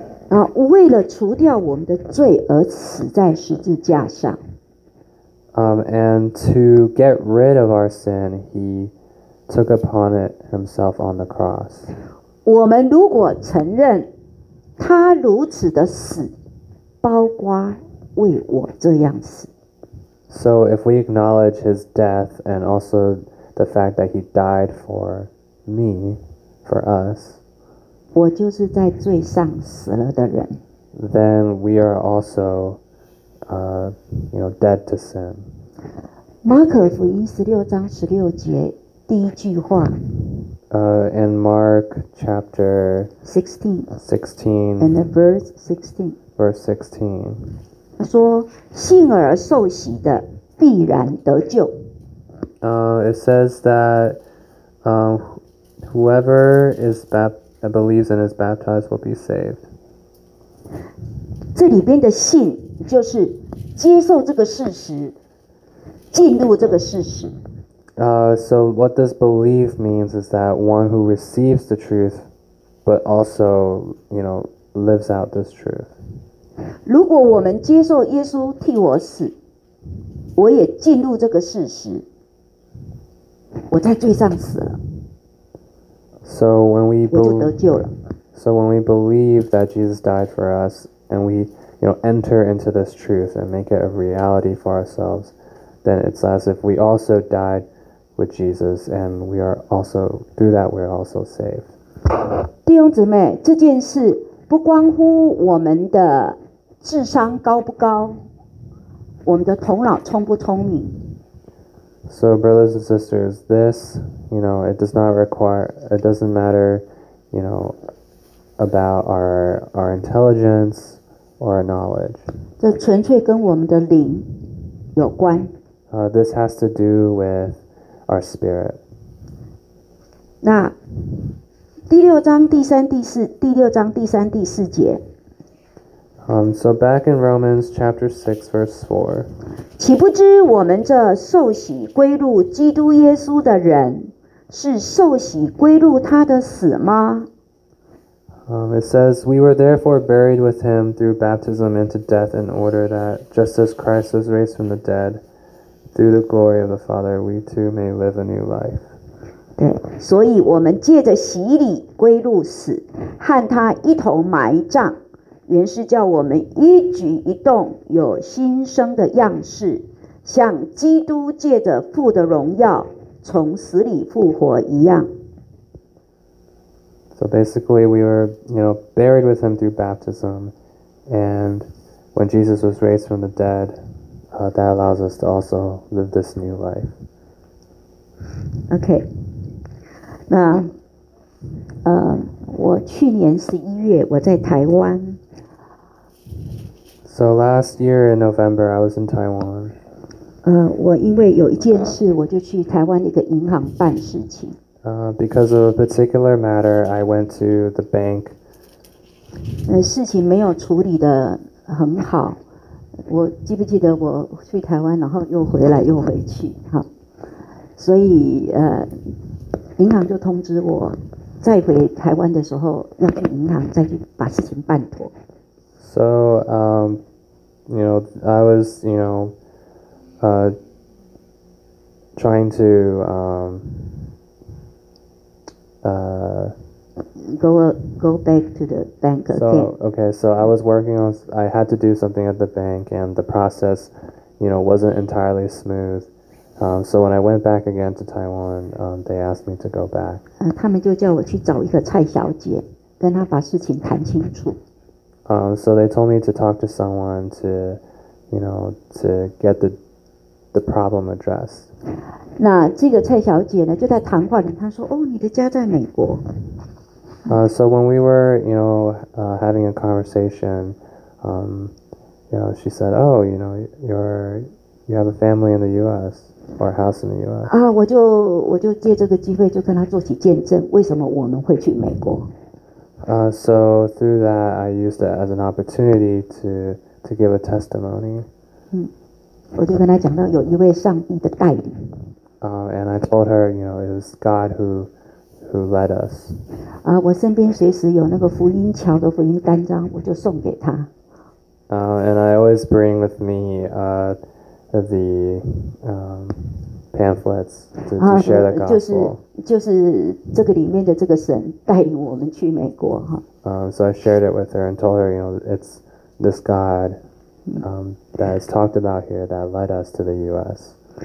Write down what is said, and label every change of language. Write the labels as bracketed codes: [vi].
[zh] 啊，为了除掉我们的罪而死在十字架上。 [en] And to get rid of our sin, he took upon it himself on the cross. [zh] 我们如果承认他如此的死，包括为我这样死。 [en] So if we acknowledge his death and also the fact that he died for me, for us, [zh] 我就是在罪上死了的人。 [en] Then we are also, dead to sin. [zh] 马可福音十六章十六节第一句话。 [en] In Mark chapter 16 and verse 16, [zh] 他说信而受洗的必然得救。 [en] It says that whoever is believes and is baptized will be saved. [zh] 这里边的信就是接受这个事实，进入这个事实。 [en] So what this belief means is that one who receives the truth, but also, you know, lives out this truth. [zh] 如果我们接受耶稣替我死，我也进入这个事实，我在罪上死了。 [en] So when we believe, [zh] 我就得救了。 [en] So when we believe that Jesus died for us, and we, you know, enter into this truth and make it a reality for ourselves, then it's as if we also died with Jesus, and we are also through that we are also saved. [zh] 弟兄姊妹，这件事不关乎我们的智商高不高，我们的头脑聪不聪明。 [en] So brothers and sisters, this, you know, it does not require, it doesn't matter, you know, about our intelligence or our knowledge. [zh] 这纯粹跟我们的灵有关。 [en] This has to do with our spirit. [zh] 那第六章第三第四第六章第三第四节。 [en] So back in Romans chapter 6 verse 4. [zh] 岂不知我们这受洗归入基督耶稣的人，是受洗归入他的死吗？ [en] It says, we were therefore buried with him through baptism into death in order that just as Christ was raised from the dead,through the glory of the Father, we too may live a new life. [zh] 对，所以我们借着洗礼归入死，和他一同埋葬，原是叫我们一举一动有新生的样式，像基督借着父的荣耀从死里复活一样。 [en] So basically, we were, you know, buried with him through baptism, and when Jesus was raised from the dead. That allows us to also live this new life. Okay. [zh] 那我去年十一月我在台湾。 [en] So last year in November, I was in Taiwan. [zh] 我因为有一件事，我就去台湾一个银行办事情。 [en] Because of a particular matter, I went to the bank. [zh] 事情没有处理得很好。我记不记得我去台湾，然后又回来又回去，哈，所以银行就通知我，再回台湾的时候要去银行再去把事情办妥。 [en] So, you know, I was, you know, trying to, Go back to the bank again. So, okay, so I was working on, I had to do something at the bank, and the process, you know, wasn't entirely smooth. So when I went back again to Taiwan, they asked me to go back. [zh] 他们就叫我去找一个蔡小姐，跟她把事情谈清楚。 [en] So they told me to talk to someone to, you know, to get the problem addressed. [zh] 那这个蔡小姐呢，就在谈话里，她说，哦，你的家在美国。 [en] So when we were, you know, having a conversation, you know, she said, oh, you know, you have a family in the U.S. or a house in the U.S. [zh] 啊，我就借这个机会就跟她做起见证，为什么我们会去美国。 [en] So through that, I used it as an opportunity to to give a testimony. [zh] 嗯，我就跟他讲到有一位上帝的带领。 [en] And I told her, you know, it was God who led us. [zh] 啊，我身边随时有那个福音桥的福音单张，我就送给他。 [en] And I always bring with me the pamphlets to share the gospel. [zh] 就是这个里面的这个神带领我们去美国哈。 [en] So I shared it with her and told her, you know, it's this God that is talked about here that led us to the U.S.